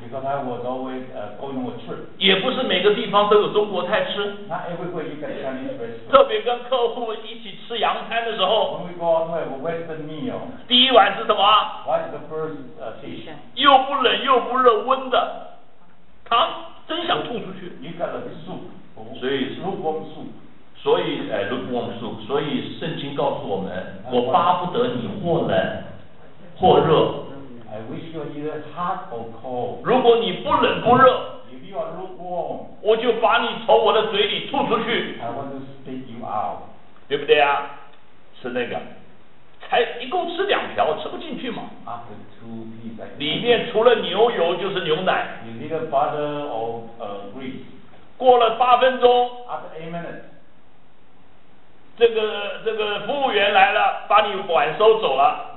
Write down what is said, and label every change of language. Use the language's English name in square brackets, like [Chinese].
[English] Because I was always, going on a trip. [Chinese] 也不是每个地方都有中国菜吃。 [English] Not everywhere you get Chinese restaurant. [Chinese] 特别跟客户一起吃洋餐的时候， [English] When we go out to have a Western meal, [Chinese] 第一碗是什么？ [English] What is the first, dish? [Chinese] 又不冷又不热，温的汤，真想吐出去。 [English] You got a soup, [Chinese] 所以 [English] lukewarm soup. [Chinese] 所以，哎，如果我们说，所以圣经告诉我们，我巴不得你或冷或热。 [English] I wish you were hot or cold. [Chinese] 如果你不冷不热， [English] If you are lukewarm, [Chinese] 我就把你从我的嘴里吐出去。 [English] I want to spit you out. [Chinese] 对不对啊？吃那个，才一共吃两条，吃不进去嘛。 [English] After two pieces, [Chinese] 里面除了牛油就是牛奶。 [English] You need a butter or grease. [Chinese] 过了8分钟。 [English] After 8 minutes. [Chinese] 这个服务员来了，把你碗收走了。